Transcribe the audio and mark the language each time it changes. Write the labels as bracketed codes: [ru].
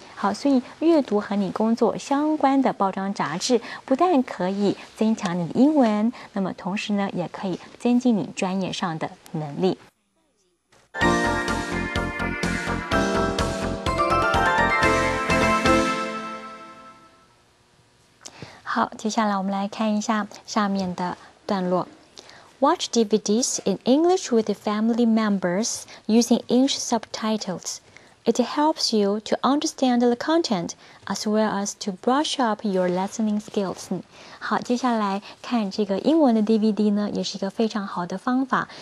[zh] 好，所以阅读和你工作相关的报章杂志不但可以增强你的英文，那么同时呢也可以增进你专业上的能力。好，接下来我们来看一下下面的段落。 [en] Watch DVDs in English with family members using English subtitles. It helps you to understand the content as well as to brush up your listening skills. [zh] 好，接下来看这个英文的 DVD 呢，也是一个非常好的方法。